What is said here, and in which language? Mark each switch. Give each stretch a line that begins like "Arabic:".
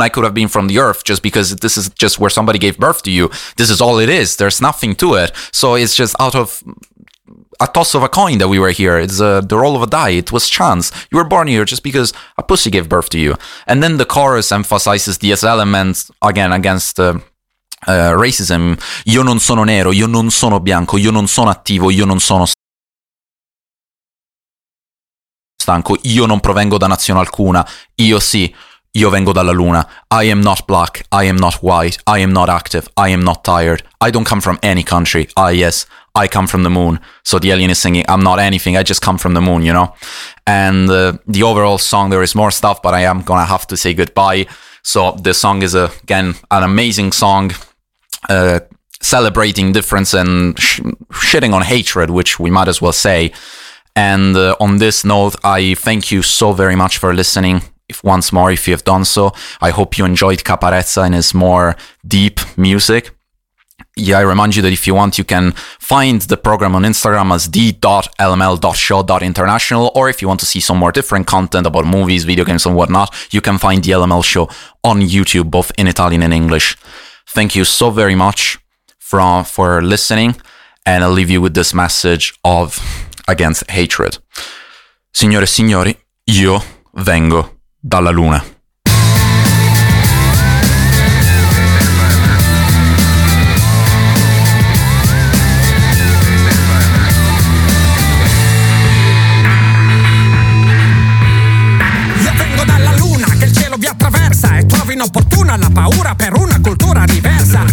English: I could have been from the earth, just because this is just where somebody gave birth to you. This is all it is. There's nothing to it. So it's just out of a toss of a coin that we were here. It's the roll of a die. It was chance. You were born here just because a pussy gave birth to you. And then the chorus emphasizes the LML again against racism.
Italian: Io non sono nero. Io non sono bianco. Io non sono attivo. Io non sono stanco, io non provengo da nazione alcuna, io sì, io vengo dalla luna.
English: I am not black, I am not white, I am not active, I am not tired, I don't come from any country, yes, I come from the moon. So the alien is singing, I'm not anything, I just come from the moon, you know. And the overall song, there is more stuff, but I am gonna have to say goodbye. So the song is again an amazing song, celebrating difference and shitting on hatred, which we might as well say. And on this note, I thank you so very much for listening. If you have done so, I hope you enjoyed Caparezza and his more deep music. Yeah, I remind you that if you want, you can find the program on Instagram as the.lml.show.international, or if you want to see some more different content about movies, video games and whatnot, you can find the LML show on YouTube, both in Italian and English. Thank you so very much for listening, and I'll leave you with this message of against hatred.
Italian: Signore e signori, io vengo dalla luna. Io vengo dalla luna, che il cielo vi attraversa, e trovo inopportuna la paura per una cultura diversa.